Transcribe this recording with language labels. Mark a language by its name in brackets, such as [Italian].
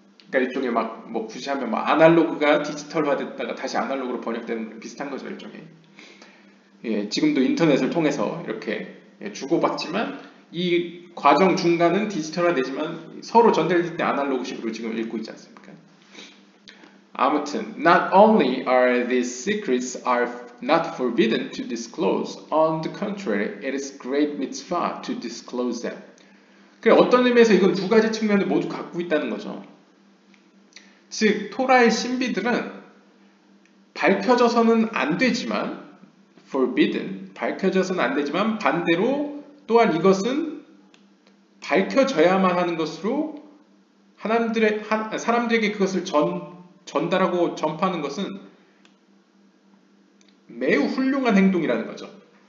[Korean] 그러니까 일종의 막 뭐 굳이 하면 막 아날로그가 디지털화 됐다가 다시 아날로그로 번역되는 비슷한 거죠. 일종의 예, 지금도 인터넷을 통해서 이렇게 예, 주고받지만 이 과정 중간은 디지털화 되지만 서로 전달될 때 아날로그식으로 지금 읽고 있지 않습니까? 아무튼 [English] not only are these secrets are not forbidden to disclose. On the contrary, it is great mitzvah to disclose them. [Korean] 그래, 어떤 의미에서 이건 두 가지 측면을 모두 갖고 있다는 거죠. 즉, 토라의 신비들은 밝혀져서는 안 되지만, [English] forbidden, [Korean] 밝혀져서는 안 되지만 반대로 또한 이것은 밝혀져야만 하는 것으로 사람들에게 그것을 전달하고 전파하는 것은 매우 훌륭한 행동이라는 거죠.